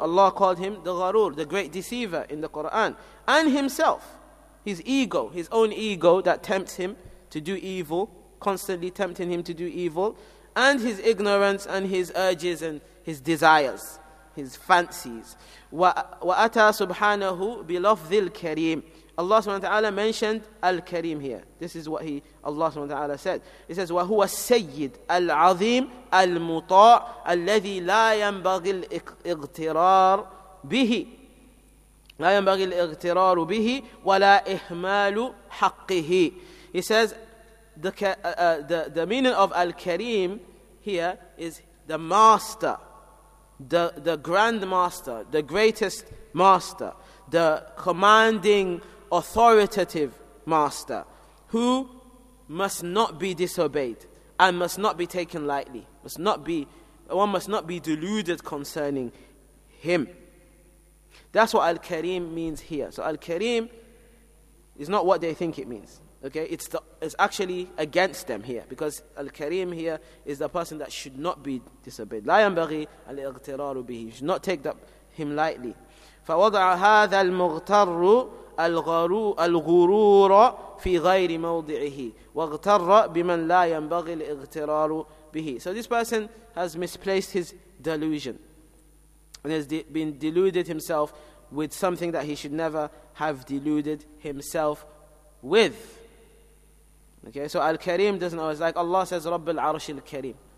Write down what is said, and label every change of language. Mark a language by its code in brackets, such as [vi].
[en] Allah called him the gharur, the great deceiver in the Quran. And himself, his ego, his own ego that tempts him to do evil, constantly tempting him to do evil, and his ignorance and his urges and his desires, his fancies. [ar] وَأَتَى سُبْحَانَهُ بِلَفْظِ الْكَرِيمِ. [en] Allah subhanahu wa ta'ala mentioned Al-Kareem here. This is what Allah subhanahu wa ta'ala said. He says, [ar] وَهُوَ السَّيِّدُ الْعَظِيمُ الْمُطَاعُ الَّذِي لَا يَنْبَغِي الْإِغْتِرَارُ بِهِ لَا يَنْبَغِي الْإِغْتِرَارُ بِهِ وَلَا إِهْمَالُ حَقِّهِ. He says, [en] the meaning of Al-Kareem here is the master, the grand master, the greatest master, the commanding, authoritative master, who must not be disobeyed and must not be taken lightly. One must not be deluded concerning him. That's what Al-Kareem means here. So Al-Kareem is not what they think it means. Okay, it's actually against them here, because Al-Kareem here is the person that should not be disobeyed. [ar] لا ينبغي الاغترار به. [en] You should not take him lightly. [ar] فوضع هذا المغتر الغرور في غير موضعه واغتر بمن لا ينبغي الاغترار به. [en] So this person has misplaced his delusion and has been deluded himself with something that he should never have deluded himself with. Okay, so Al-Kareem doesn't always, like Allah says, [ar] رب العرش الكريم.